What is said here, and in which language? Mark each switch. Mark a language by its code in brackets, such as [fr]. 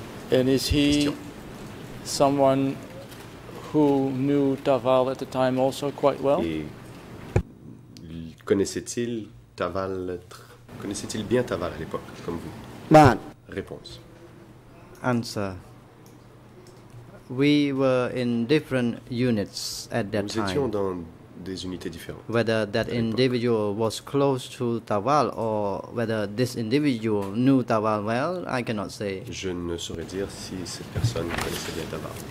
[en] And is he someone who knew Taval at the time also quite well? [fr] Et connaissait-il Taval, connaissait-il bien Taval à l'époque, comme vous? Man. Réponse. [en] Answer. We were in different units at that [fr] Nous [en] time. [fr] Nous étions dans des unités différentes. [en] Whether that individual was close to Taval or whether this individual knew Taval well, I cannot say. [fr] Je ne saurais dire si cette personne connaissait bien Taval.